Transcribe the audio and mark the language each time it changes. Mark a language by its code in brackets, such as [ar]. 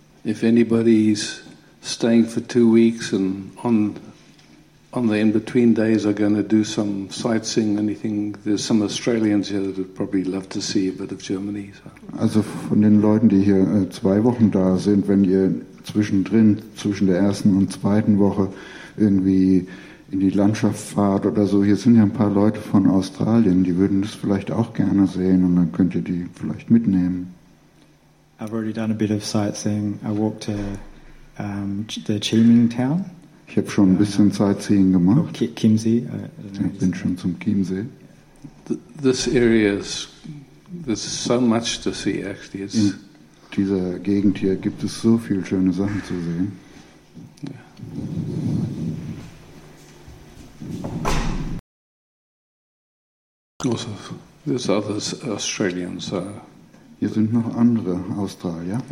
[en] If anybody is staying for 2 weeks and on the in-between days are going to do some sightseeing, anything, there's some Australians here that would probably love to see a bit of Germany. So. [de] Also von den Leuten, die hier 2 Wochen da sind, wenn ihr zwischendrin, zwischen der ersten und zweiten Woche irgendwie in die Landschaft fahrt oder so. Hier sind ja ein paar Leute von Australien, die würden das vielleicht auch gerne sehen und dann könnt ihr die vielleicht mitnehmen. [en] I've already done a bit of sightseeing. I walked to the Qiming town. [de] Ich habe schon ein bisschen Sightseeing gemacht. Chiemsee. Ich bin schon zum Chiemsee. [en] This area is, there's so much to see actually. It's [de] in dieser Gegend hier gibt es so viele schöne Sachen zu sehen. [en] Yeah. Also, there's others, Australians. Hier sind noch andere Australier.